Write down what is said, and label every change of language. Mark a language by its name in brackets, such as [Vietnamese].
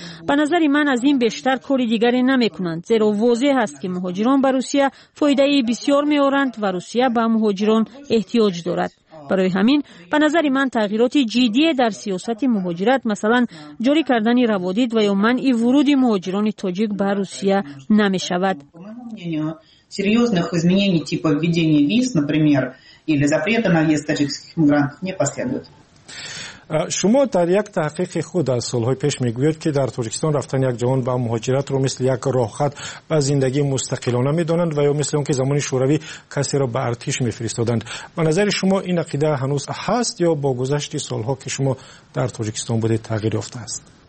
[Persian] به نظر من از این بیشتر در کاری دیگری نمی کنند، زیرا واضح هست که مهاجران به روسیه فایده بسیار می آورند و روسیه به مهاجران احتیاج دارد. برای همین به نظر من تغییرات جدی در سیاست مهاجرت مثلا جاری کردن روادید و یا منع ورود مهاجران تاجیک به روسیه نمی شود. [Ukrainian] серйозних змін типу введення віз, наприклад, або запрету на в'їзд таджикських мігрантів не послідує. [Persian] شما در یک تحقیق خود از سالهای پیش میگوید که در تاجیکستان رفتن یک جوان به مهاجرت رو مثل یک راه خط به زندگی مستقلانه میدونند و یا مثل اون که زمان شوروی کسی را به ارتش میفرستادند. به نظر شما این عقیده هنوز هست یا با گذشت سالها که شما در تاجیکستان بودید تغییر یافته است؟